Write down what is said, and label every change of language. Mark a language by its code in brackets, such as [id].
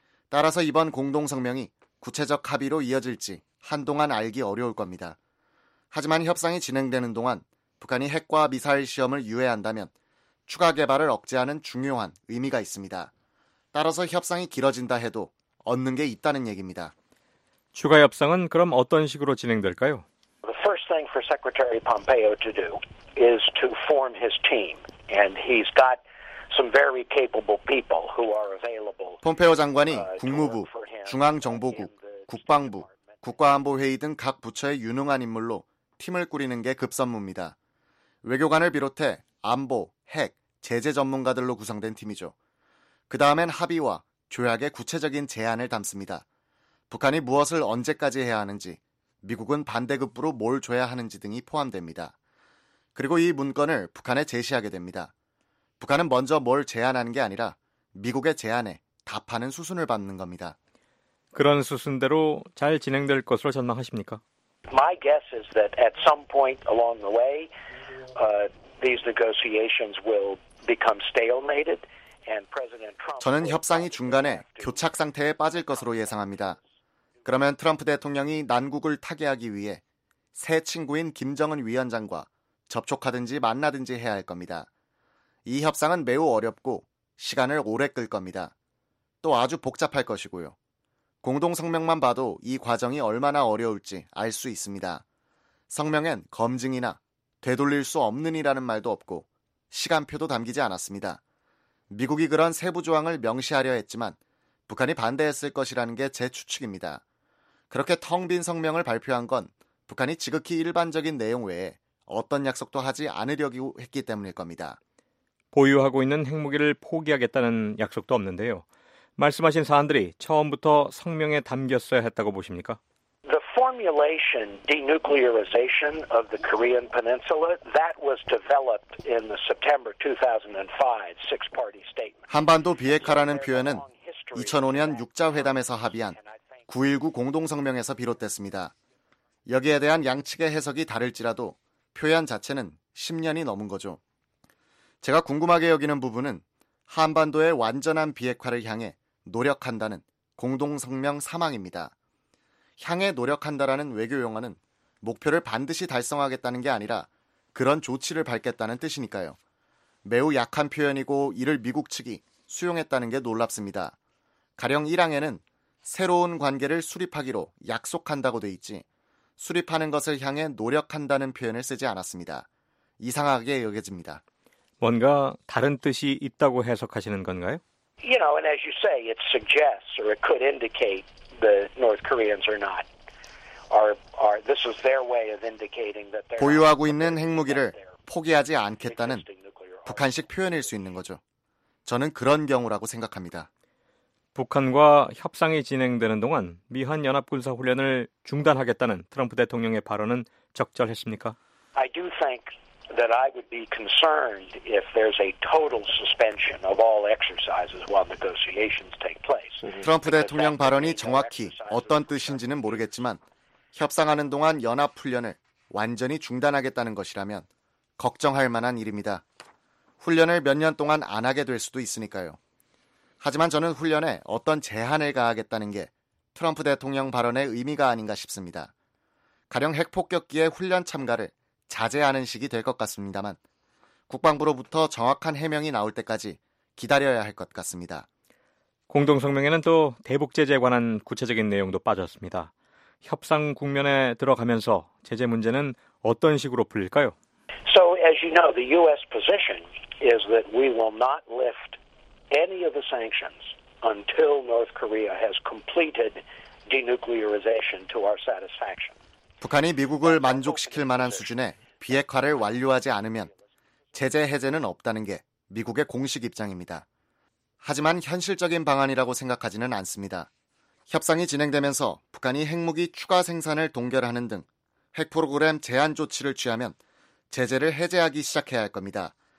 [ko] 따라서 이번 공동성명이 구체적 합의로 이어질지 한동안 알기 어려울 겁니다. 하지만 협상이 진행되는 동안 북한이 핵과 미사일 시험을 유예한다면 추가 개발을 억제하는 중요한 의미가 있습니다. 따라서 협상이 길어진다 해도 얻는 게 있다는 얘기입니다. 추가 협상은 그럼 어떤 식으로 진행될까요? [en] The first thing for Secretary Pompeo to do is to form his team, and he's got some very capable people who are available. [ko] 폼페오 장관이 국무부, 중앙정보국, 국방부, 국가안보회의 등 각 부처의 유능한 인물로 팀을 꾸리는 게 급선무입니다. 외교관을 비롯해 안보, 핵, 제재 전문가들로 구성된 팀이죠. 그 다음엔 합의와 조약의 구체적인 제안을 담습니다. 북한이 무엇을 언제까지 해야 하는지. 미국은 반대급부로 뭘 줘야 하는지 등이 포함됩니다. 그리고 이 문건을 북한에 제시하게 됩니다. 북한은 먼저 뭘 제안하는 게 아니라 미국의 제안에 답하는 수순을 밟는 겁니다. 그런 수순대로 잘 진행될 것으로 전망하십니까? [en] My guess is that at some point along the way, these negotiations will become stalemated, and President Trump. [ko] 저는 협상이 중간에 교착 상태에 빠질 것으로 예상합니다. 그러면 트럼프 대통령이 난국을 타개하기 위해 새 친구인 김정은 위원장과 접촉하든지 만나든지 해야 할 겁니다. 이 협상은 매우 어렵고 시간을 오래 끌 겁니다. 또 아주 복잡할 것이고요. 공동성명만 봐도 이 과정이 얼마나 어려울지 알 수 있습니다. 성명엔 검증이나 되돌릴 수 없는이라는 말도 없고 시간표도 담기지 않았습니다. 미국이 그런 세부 조항을 명시하려 했지만 북한이 반대했을 것이라는 게 제 추측입니다. 그렇게 텅 빈 성명을 발표한 건 북한이 지극히 일반적인 내용 외에 어떤 약속도 하지 않으려고 했기 때문일 겁니다. 보유하고 있는 핵무기를 포기하겠다는 약속도 없는데요. 말씀하신 사안들이 처음부터 성명에 담겼어야 했다고 보십니까? [en] The formulation denuclearization of the Korean Peninsula that was developed in the September 2005 six-party statement. [ko] 한반도 비핵화라는 표현은 2005년 6자 회담에서 합의한 9.19 공동성명에서 비롯됐습니다. 여기에 대한 양측의 해석이 다를지라도 표현 자체는 10년이 넘은 거죠. 제가 궁금하게 여기는 부분은 한반도의 완전한 비핵화를 향해 노력한다는 공동성명 3항입니다. 향해 노력한다라는 외교 용어는 목표를 반드시 달성하겠다는 게 아니라 그런 조치를 밟겠다는 뜻이니까요. 매우 약한 표현이고 이를 미국 측이 수용했다는 게 놀랍습니다. 가령 1항에는 새로운 관계를 수립하기로 약속한다고 돼 있지 수립하는 것을 향해 노력한다는 표현을 쓰지 않았습니다. 이상하게 여겨집니다. 뭔가 다른 뜻이 있다고 해석하시는 건가요? [en] You know, and as you say, it suggests or it could indicate the North Koreans are not are this is their way of indicating that they're [ko] 보유하고 있는 핵무기를 포기하지 않겠다는 북한식 표현일 수 있는 거죠. 저는 그런 경우라고 생각합니다. 북한과 협상이 진행되는 동안 미한 연합군사 훈련을 중단하겠다는 트럼프 대통령의 발언은 적절했습니까? [en] I do think that I would be concerned if there's a total suspension of all exercises while negotiations take place. [ko] 트럼프 대통령 발언이 정확히 어떤 뜻인지는 모르겠지만 협상하는 동안 연합 훈련을 완전히 중단하겠다는 것이라면 걱정할 만한 일입니다. 훈련을 몇 년 동안 안 하게 될 수도 있으니까요. 하지만 저는 훈련에 어떤 제한을 가하겠다는 게 트럼프 대통령 발언의 의미가 아닌가 싶습니다. 가령 핵폭격기의 훈련 참가를 자제하는 식이 될 것 같습니다만 국방부로부터 정확한 해명이 나올 때까지 기다려야 할 것 같습니다. 공동성명에는 또 대북 제재에 관한 구체적인 내용도 빠졌습니다. 협상 국면에 들어가면서 제재 문제는 어떤 식으로 풀릴까요? [en] So as you know, the US position is that we will not lift any of the sanctions until North Korea has completed denuclearization to our satisfaction. [ko] 북한이 미국을 만족시킬 만한 수준의 비핵화를 완료하지 않으면 제재 해제는 없다는 게 미국의 공식 입장입니다. 하지만 현실적인 방안이라고 생각하지는 않습니다. 협상이 진행되면서 북한이 핵무기 추가 생산을 동결하는 등 핵 프로그램 제한 조치를 취하면 제재를 해제하기 시작해야 할 겁니다.